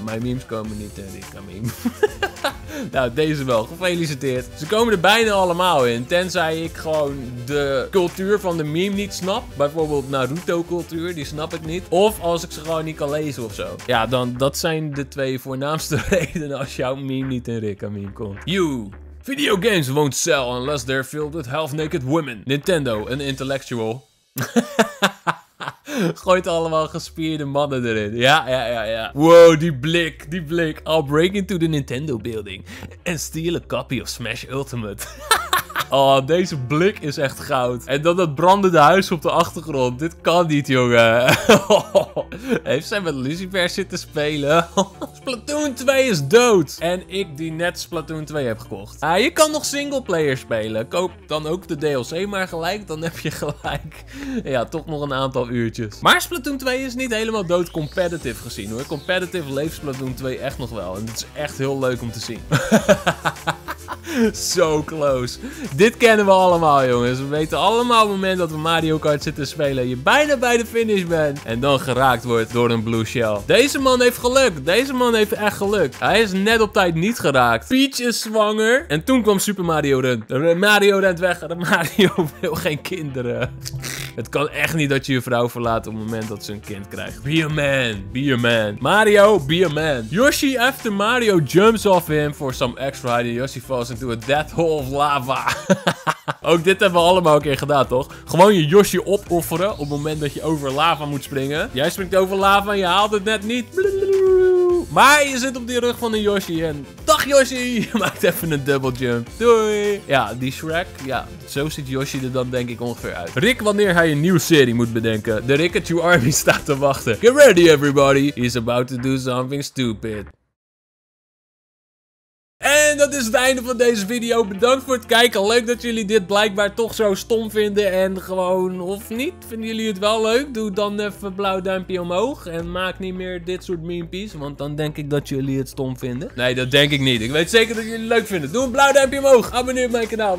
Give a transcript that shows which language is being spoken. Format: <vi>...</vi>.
<nl>Mijn memes komen niet in Rick een meme. Nou, deze wel. Gefeliciteerd. Ze komen er bijna allemaal in. Tenzij ik gewoon de cultuur van de meme niet snap. Bijvoorbeeld Naruto-cultuur, die snap ik niet. Of als ik ze gewoon niet kan lezen of zo. Ja, dan dat zijn de 2 voornaamste redenen als jouw meme niet in Rick een meme komt.</nl> <en>You! Video games won't sell unless they're filled with half-naked women. Nintendo, an intellectual.</en> <nl>Gooit allemaal gespierde mannen erin. Ja. Wow, die blik.</nl> <en>I'll break into the Nintendo building and steal a copy of Smash Ultimate.</en> <nl>Oh, deze blik is echt goud. En dan dat brandende huis op de achtergrond. Dit kan niet, jongen. Heeft zij met Lucifer zitten spelen? Splatoon 2 is dood. En ik die net Splatoon 2 heb gekocht. Ah, je kan nog singleplayer spelen. Koop dan ook de DLC maar gelijk. Dan heb je gelijk. Ja, toch nog een aantal uurtjes. Maar Splatoon 2 is niet helemaal dood competitive gezien, hoor. Competitive leeft Splatoon 2 echt nog wel. En het is echt heel leuk om te zien. Zo close. Dit kennen we allemaal, jongens. We weten allemaal op het moment dat we Mario Kart zitten spelen, je bijna bij de finish bent. En dan geraakt wordt door een blue shell. Deze man heeft geluk. Deze man heeft echt geluk. Hij is net op tijd niet geraakt. Peach is zwanger. En toen kwam Super Mario Run. Mario rent weg. Mario wil geen kinderen. Het kan echt niet dat je je vrouw verlaat op het moment dat ze een kind krijgt.</nl> <en>Be a man. Be a man. Mario, be a man. Yoshi after Mario jumps off him for some extra hiding. Yoshi falls into a death hole of lava.</en> <nl>Ook dit hebben we allemaal een keer gedaan, toch? Gewoon je Yoshi opofferen op het moment dat je over lava moet springen. Jij springt over lava en je haalt het net niet. Maar je zit op die rug van een Yoshi en... Dag Yoshi! Je maakt even een double jump. Doei! Ja, die Shrek. Ja, zo ziet Yoshi er dan denk ik ongeveer uit. Rick, wanneer hij een nieuwe serie moet bedenken. De Rickachu Army staat te wachten.</nl> <en>Get ready everybody! He's about to do something stupid.</en> <nl>En dat is het einde van deze video. Bedankt voor het kijken. Leuk dat jullie dit blijkbaar toch zo stom vinden. En gewoon, of niet, vinden jullie het wel leuk? Doe dan even blauw duimpje omhoog. En maak niet meer dit soort meme-pies. Want dan denk ik dat jullie het stom vinden. Nee, dat denk ik niet. Ik weet zeker dat jullie het leuk vinden. Doe een blauw duimpje omhoog. Abonneer op mijn kanaal.</nl>